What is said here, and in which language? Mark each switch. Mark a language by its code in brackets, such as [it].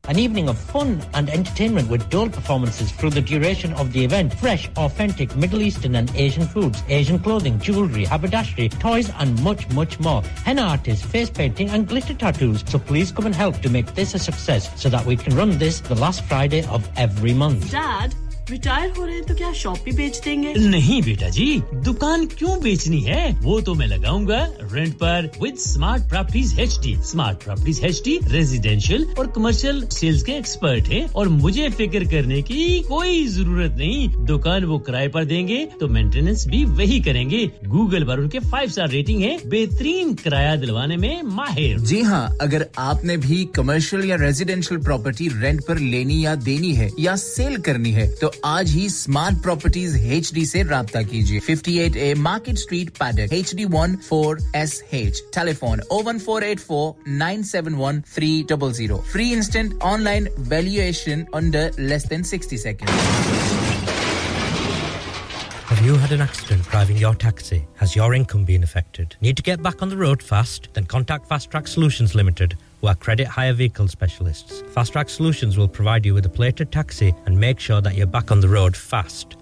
[en] An evening of fun and entertainment with dual performances through the duration of the event. Fresh, authentic Middle Eastern and Asian foods, Asian clothing, jewellery, haberdashery, toys and much, much more. Henna artists, face painting and glitter tattoos. So please come and help to make this a success so that we can run this the last Friday of every month. Dad! [hi] Retire हो रहे हैं तो क्या shop भी बेच देंगे? नहीं बेटा जी, दुकान क्यों बेचनी है? वो तो मैं लगाऊंगा रेंट पर with smart properties HD. Smart properties HD residential और कमर्शियल सेल्स के एक्सपर्ट हैं और मुझे फिक्र करने की कोई जरूरत नहीं। दुकान वो किराए पर देंगे तो मेंटेनेंस भी वही करेंगे। गूगल पर उनके 5 स्टार रेटिंग है, बेहतरीन किराया दिलवाने में माहिर। जी हां, अगर आपने भी कमर्शियल या रेजिडेंशियल प्रॉपर्टी रेंट पर लेनी या देनी है या सेल करनी है तो आज ही स्मार्ट प्रॉपर्टीज एचडी से رابطہ कीजिए। 58A market street paddock HD14SH। Telephone 01484971300। [en] Free instant online valuation under less than 60 seconds. Have you had an accident driving your taxi? Has your income been affected? Need to get back on the road fast? Then contact Fast Track Solutions Limited, who are credit hire vehicle specialists. Fast Track Solutions will provide you with a plated taxi and make sure that you're back on the road fast.